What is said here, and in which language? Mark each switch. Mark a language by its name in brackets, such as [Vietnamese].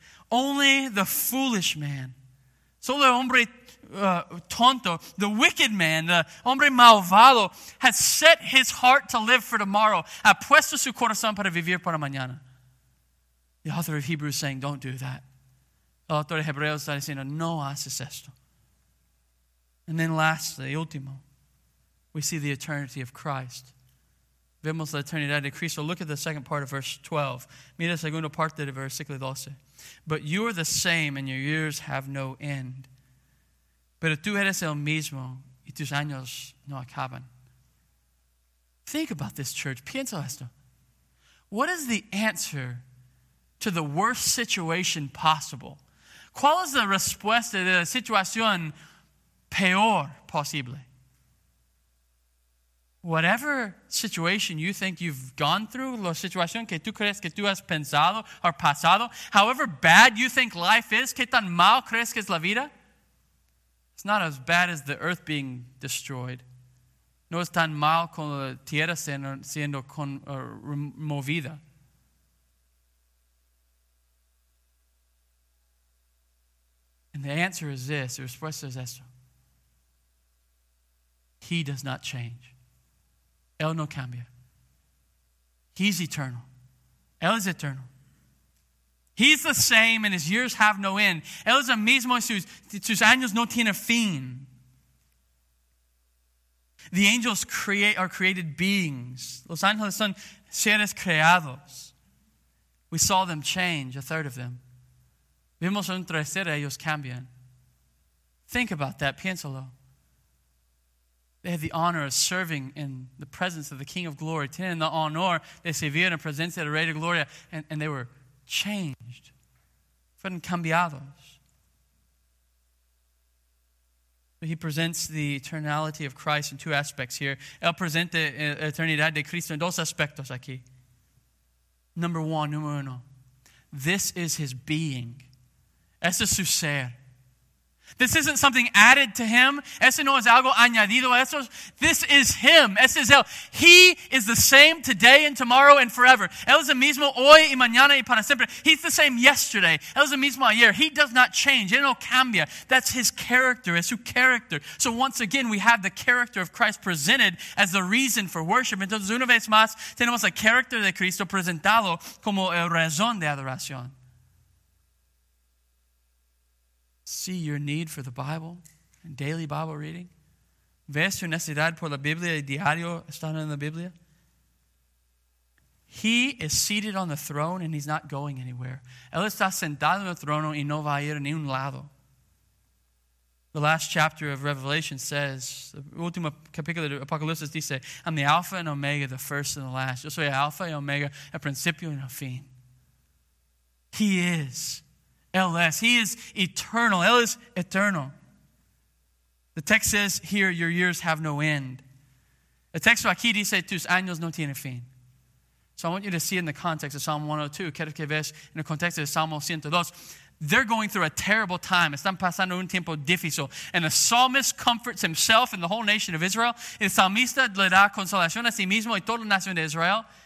[English] Only the foolish man, [Spanish] solo el hombre tonto, [English] the wicked man, the [Spanish] hombre malvado, [English] has set his heart to live for tomorrow. [Spanish] Ha puesto su corazón para vivir para mañana. [English] The author of Hebrews is saying, don't do that. [Spanish] El autor de Hebreos está diciendo, no haces esto. [English] And then lastly, último, we see the eternity of Christ. [Spanish] Vemos la eternidad de Cristo. [English] Look at the second part of verse 12. [Spanish] Mira la segunda parte del versículo 12. [English] But you are the same and your years have no end. [Spanish] Pero tú eres el mismo y tus años no acaban. [English] Think about this, church. [Spanish] Piensa esto. [English] What is the answer to the worst situation possible? [Spanish] ¿Cuál es la respuesta de la situación peor posible? [English] Whatever situation you think you've gone through, [Spanish] la situación que tú crees que tú has pensado o pasado, [English] however bad you think life is, [Spanish] ¿qué tan mal crees que es la vida? [English] It's not as bad as the earth being destroyed. [Spanish] No es tan mal como la tierra siendo removida. [English] And the answer is this, the [Spanish] respuesta es esto. [English] He does not change. [Spanish] Él no cambia. [English] He's eternal. [Spanish] Él es eternal. [English] He's the same and his years have no end. [Spanish] Él es el mismo y sus años no tienen fin. [English] The angels are created beings. [Spanish] Los ángeles son seres creados. [English] We saw them change, a third of them. [Spanish] Vimos un tercero, ellos cambian. [English] Think about that, [Spanish] piénsalo. [English] They had the honor of serving in the presence of the King of Glory. [Spanish] Tienen la honor de servir en presencia del Rey de Gloria. [English] And they were changed. [Spanish] Fueron cambiados. [English] But he presents the eternality of Christ in two aspects here. [Spanish] Él presenta la eternidad de Cristo en dos aspectos aquí. [English] Number one, [Spanish] número uno. [English] This is his being. [Spanish] Eso es su ser. [English] This isn't something added to him. [Spanish] Eso no es algo añadido. [English] This is him. [Spanish] Eso es él. [English] He is the same today and tomorrow and forever. [Spanish] Él es el mismo hoy y mañana y para siempre. [English] He's the same yesterday. [Spanish] Él es el mismo ayer. [English] He does not change. [Spanish] Él no cambia. [English] That's his character. [Spanish] Es su character. [English] So once again, we have the character of Christ presented as the reason for worship. [Spanish] Entonces, una vez más, tenemos el character de Cristo presentado como el razón de adoración. [English] See your need for the Bible and daily Bible reading. [Spanish] ¿Ves tu necesidad por la Biblia y diario estando en la Biblia? [English] He is seated on the throne and he's not going anywhere. [Spanish] Él está sentado en el trono y no va a ir ni un lado. [English] The last chapter of Revelation says, [Spanish] the último capítulo de Apocalipsis dice, [English] I'm the Alpha and Omega, the first and the last. [Spanish] Yo soy Alpha y Omega, el principio y el fin. [English] He is. L.S. He is eternal. [Spanish] Él es eternal. [English] The text says here, your years have no end. [Spanish] El texto aquí dice, tus años no tienen fin. [English] So I want you to see in the context of Psalm 102. [Spanish] Quiero que veas en el contexto de Psalm 102. [English] They're going through a terrible time. [Spanish] Están pasando un tiempo difícil. [English] And the psalmist comforts himself and the whole nation of Israel. [Spanish] El salmista le da consolación a sí mismo y toda la nación de Israel.